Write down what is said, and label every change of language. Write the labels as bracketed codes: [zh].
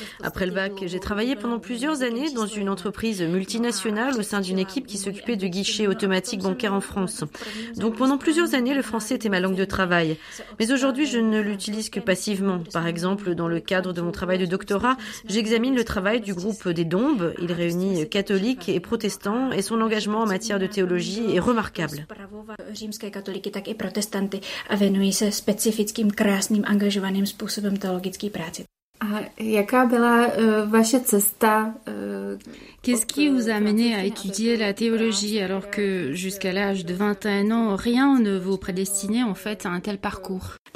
[fr] Après le bac, j'ai travaillé pendant plusieurs années dans une entreprise multinationale au sein d'une équipe qui s'occupait de guichets automatiques bancaires en France. Donc pendant plusieurs années, le français était ma langue de travail. Mais aujourd'hui, je ne l'utilise que passivement. Par exemple, dans le cadre de mon travail de doctorat, j'examine le travail du groupe des Dombes. Il réunit catholiques et protestants et son engagement en matière de théologie est remarquable. [cs] Římské katoliky, tak i protestanty a věnují se specifickým krásným angažovaným způsobem teologické práce. A jaká byla vaše cesta? [fr] Qu'est-ce qui vous a amené à étudier la théologie alors que jusqu'à l'âge de 21 ans, rien ne vous prédestinait en fait à un tel parcours?